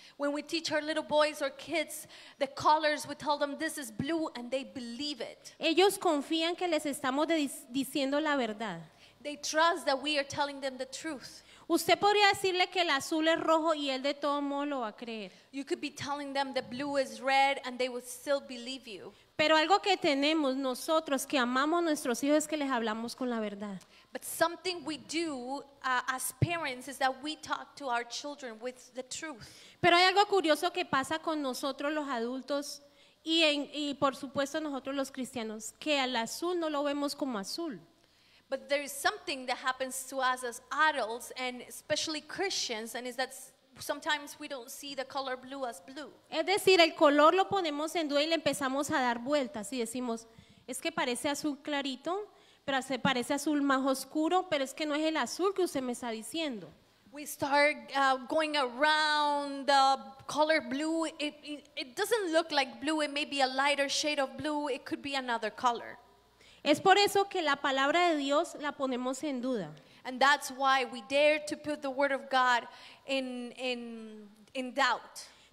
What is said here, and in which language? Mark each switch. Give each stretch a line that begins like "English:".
English: When we teach our little boys or kids the colors, we tell them this is blue and they believe it.
Spanish: Ellos confían que les estamos diciendo la verdad.
English: They trust that we are telling them the truth.
Spanish: Usted podría decirle que el azul es rojo y él de todo modo lo va a creer.
English: You could be telling them the blue is red and they would still believe you.
Spanish: Pero algo que tenemos nosotros que amamos a nuestros hijos es que les hablamos con la verdad.
English: But something we do as parents is that we talk to our children with the truth.
Spanish: Pero hay algo curioso que pasa con nosotros los adultos y por supuesto nosotros los cristianos, que al azul no lo vemos como azul.
English: But there is something that happens to us as adults and especially Christians, and is that sometimes we don't see the color blue as blue.
Spanish: Es decir, el color lo ponemos en duda y le empezamos a dar vueltas y decimos, es que parece azul clarito, pero se parece azul más oscuro, pero es que no es el azul que usted me está diciendo.
English: We start going around the color blue. It doesn't look like blue. It may be a lighter shade of blue. It could be another color.
Spanish: Es por eso que la palabra de Dios la ponemos en duda.
English: And that's why we dare to put the word of God in doubt.